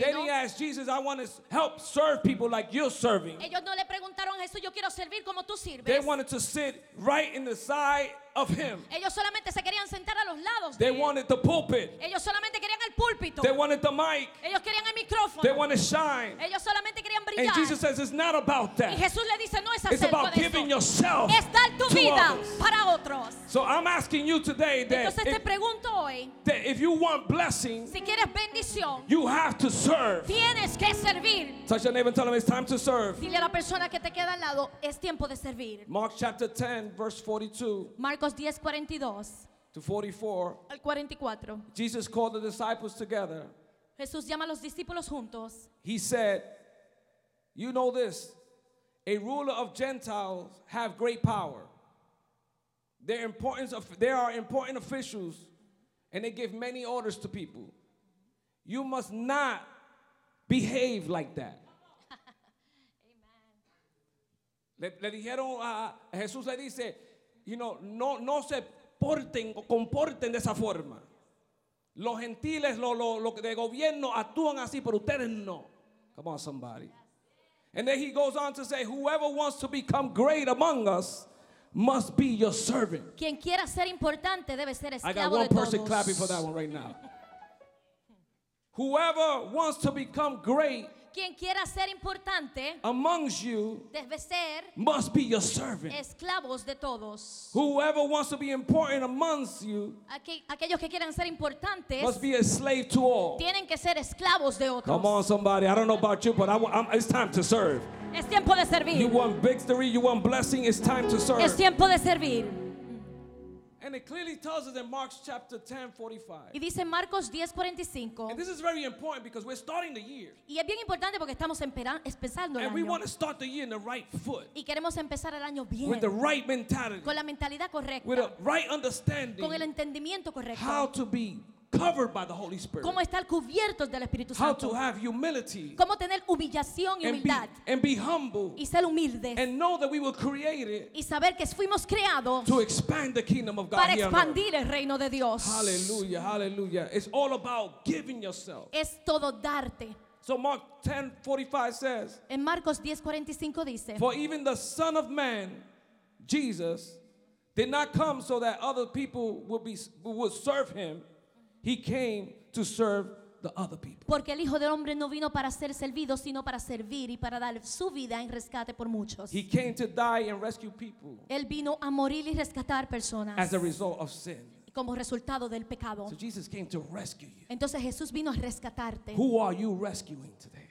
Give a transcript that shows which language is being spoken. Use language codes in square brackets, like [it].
[en] Then he asked Jesus, I want to help serve people like you're serving. [es] Ellos no le preguntaron a Jesús, yo quiero servir como tú sirves. [en] They wanted to sit right in the side of him. [es] Ellos solamente se querían sentar a los lados [en] They [es] de [en] wanted [es] él. [en] The pulpit. [es] Ellos solamente querían el púlpito. [en] They wanted the mic. [es] Ellos querían el micrófono. [en] They wanted shine. [es] Ellos solamente querían brillar. [en] And Jesus says it's not about that. [es] Y Jesús le dice, no es acerca [en] It's about giving [es] eso. [en] Yourself [es] es dar tu [en] to [es] vida [en] others. [es] Para otros. [en] So I'm asking you today that, [es] Entonces, te pregunto hoy, [en] that if you want blessing, [es] si quieres bendición, [en] you have to serve. [es] Tienes que servir. [en] Touch your neighbor and tell him it's time to serve. [es] Dile a la persona que te queda al lado, es tiempo de servir. [en] Mark chapter 10 verse 42. [es] Marcos 10, 42 [en] to 44, [es] al 44. [en] Jesus called the disciples together. [es] Jesús llama a los discípulos juntos. [en] He said, you know this, a ruler of Gentiles have great power. They are important officials and they give many orders to people. You must not behave like that. Amen. [es] Le dijeron a Jesús, le dice, [en] you know, [es] no se porten o comporten de esa forma. Los gentiles, lo de gobierno actúan así, pero ustedes no. [en] Come on, somebody. And then he goes on to say, whoever wants to become great among us must be your servant. [es] Quien quiera ser importante debe ser esclavo de todos. [en] I got one person clapping for that one right now. Whoever wants to become great [es] Quien quiera ser importante [en] amongst you [es] debe ser [en] must be your servant. [es] Esclavos de todos. [en] Whoever wants to be important amongst you [es] aquellos que quieran ser importantes [en] must be a slave to all. [es] Tienen que ser esclavos de otros. [en] Come on, somebody. I don't know about you, but it's time to serve. [es] Es tiempo de servir. [en] You want victory, you want blessing, it's time to serve. [es] Es tiempo de servir. [en] And it clearly tells us in Mark chapter 10, 45. [es] Y dice Marcos 10, 45. [en] And this is very important because we're starting the year. [es] Y es bien importante porque estamos empezando el año. [en] And we want to start the year in the right foot. [es] Y queremos empezar el año bien. [en] With the right mentality. [es] Con la mentalidad correcta. [en] With a right understanding. [es] Con el entendimiento correcto. [en] How to be covered by the Holy Spirit. [es] Cómo estar cubiertos del Espíritu Santo. [en] How to have humility. [es] Cómo tener humillación y humildad. [en] And be humble. [es] Y ser humilde. [en] And know that we were created. [es] Y saber que fuimos creados. [en] To expand the kingdom of God. [es] Para expandir el reino de Dios. [en] Hallelujah, hallelujah. It's all about giving yourself. [es] Es todo darte. [en] So Mark 10:45 says. [es] En Marcos 10:45 dice. [en] For even the Son of Man, Jesus, did not come so that other people would serve him. He came to serve the other people. [es] Porque el Hijo del Hombre no vino para ser servido, sino para servir y para dar su vida en rescate por muchos. [en] He came to die and rescue people. [es] Él vino a morir y rescatar personas. [en] As a result of sin. [es] Como resultado del pecado. [en] So Jesus came to rescue you. [es] Entonces Jesús vino a rescatarte. [en] Who are you rescuing today?